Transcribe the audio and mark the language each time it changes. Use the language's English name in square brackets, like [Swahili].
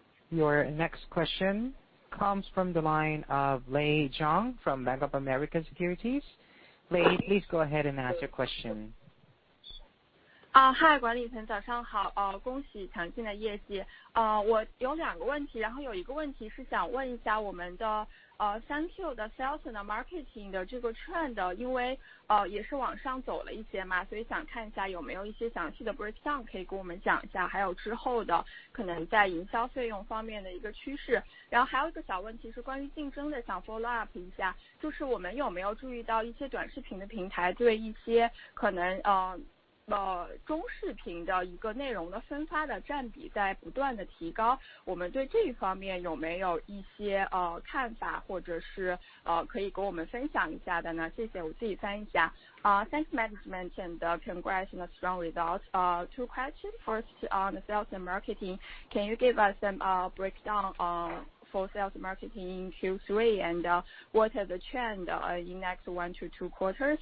[English] Your next question comes from the line of Lei Zhang from Bank of America Securities. Lei, please go ahead and ask your question. [Chinese] Hi, 管理层早上好，恭喜强劲的业绩。我有两个问题，然后有一个问题是想问一下我们的3Q 的 [English] sales and marketing [Chinese] 的这个 trend， 因为也是往上走了一些嘛，所以想看一下有没有一些详细的 breakdown 可以跟我们讲一下，还有之后的可能在营销费用方面的一个趋势。然后还有一个小问题是关于竞争的，想 [English] follow up [Chinese] 一下，就是我们有没有注意到一些短视频的平台对一些可能中视频的一个内容的分发的占比在不断的提高，我们对这一方面有没有一些看法，或者是可以跟我们分享一下的呢？谢谢，我自己翻一下。 [English] Thanks management and congrats on the strong results. Two questions. First, on the sales and marketing, can you give us some breakdown for sales marketing in Q3 and what are the trend in next 1 to 2 quarters?